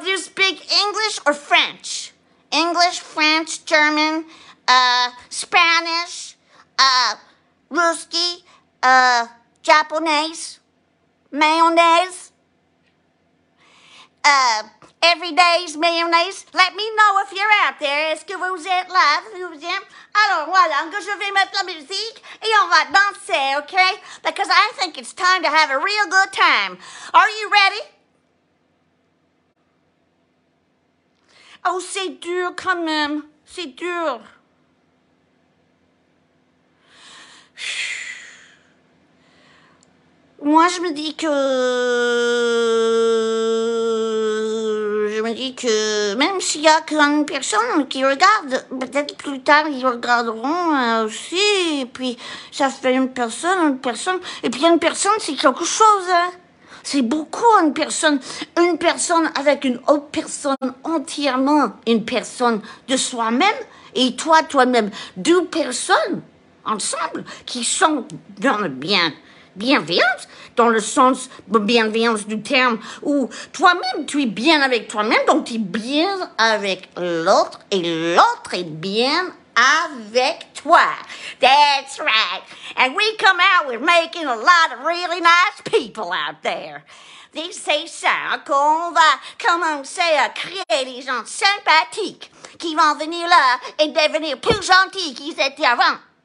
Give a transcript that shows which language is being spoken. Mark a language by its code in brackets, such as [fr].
[en] Do you speak English or French? English, French, German, Spanish, Ruski, Japanese, mayonnaise, Everyday's mayonnaise. Let me know if you're out there. [fr] Est-ce que vous êtes là? Vous êtes? Alors voilà, je vais mettre la musique et on va danser, okay? [en] Because I think it's time to have a real good time. Are you ready? [fr] Oh, c'est dur quand même. C'est dur. Moi, je me dis que... Même s'il y a qu'une personne qui regarde. Peut-être plus tard, ils regarderont aussi. Et puis, ça fait une personne. Et puis, une personne, c'est quelque chose. Hein. C'est beaucoup, une personne. Une personne avec une autre personne, entièrement une personne de soi-même. Et toi, toi-même, deux personnes ensemble qui sont dans le bien. Bienveillance, dans le sens de bienveillance du terme, où toi-même, tu es bien avec toi-même, donc tu es bien avec l'autre, et l'autre est bien avec toi. [en] That's right. And we come out, we're making a lot of really nice people out there. [fr] C'est ça qu'on va commencer à créer des gens sympathiques qui vont venir là et devenir plus gentils qu'ils étaient avant.